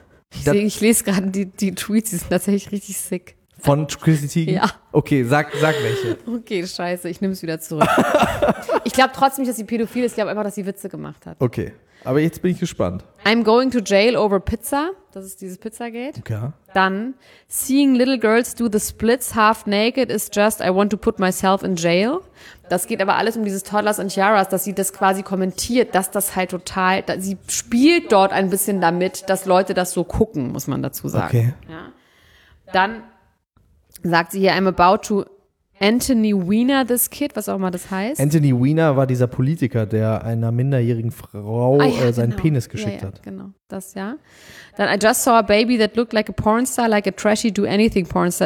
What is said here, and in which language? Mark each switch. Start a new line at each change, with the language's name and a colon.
German: ich lese gerade die Tweets, die sind tatsächlich richtig sick. Von Chrissy Teigen? Ja. Okay, sag welche. Okay, scheiße, ich nehme es wieder zurück. Ich glaube trotzdem nicht, dass sie pädophil ist, ich glaube einfach, dass sie Witze gemacht hat. Okay, aber jetzt bin ich gespannt.
English: I'm going to jail over pizza,
German: das ist dieses Pizzagate. Okay. Dann,
English: seeing little girls do the splits half naked is just, I want to put myself in jail.
German: Das geht aber alles um dieses Toddlers and Tiaras, dass sie das quasi kommentiert, dass das halt total, sie spielt dort ein bisschen damit, dass Leute das so gucken, muss man dazu sagen. Okay. Ja. Dann sagt sie hier,
English: I'm about to Anthony Weiner this kid,
German: was auch immer das heißt. Anthony Weiner war dieser Politiker, der einer minderjährigen Frau seinen Penis geschickt hat. Genau, das ja. Dann,
English: I just saw a baby that looked like a pornstar, like a trashy do anything pornstar.